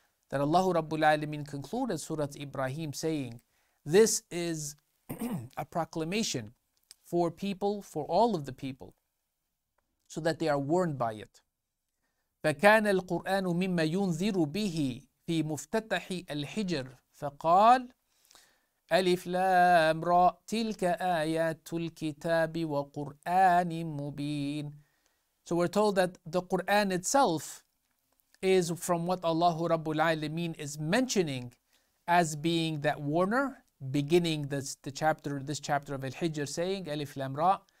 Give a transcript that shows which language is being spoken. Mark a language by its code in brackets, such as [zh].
[en] That Allah Rabbul Alameen concluded Surah Ibrahim saying, this is a proclamation for people, for all of the people, so that they are warned by it. [ar] فكان القرآن مما ينذر به في مفتتح الحجر فقال أَلِفْ لَامْ رَا تِلْكَ آيَاتُ الْكِتَابِ وَقُرْآنِ مُبِينَ. [en] So we're told that the Qur'an itself is from what Allah Rabbul Alameen is mentioning as being that warner, beginning this chapter of Al-Hijr saying, [ar] أَلِفْ لَامْ رَا.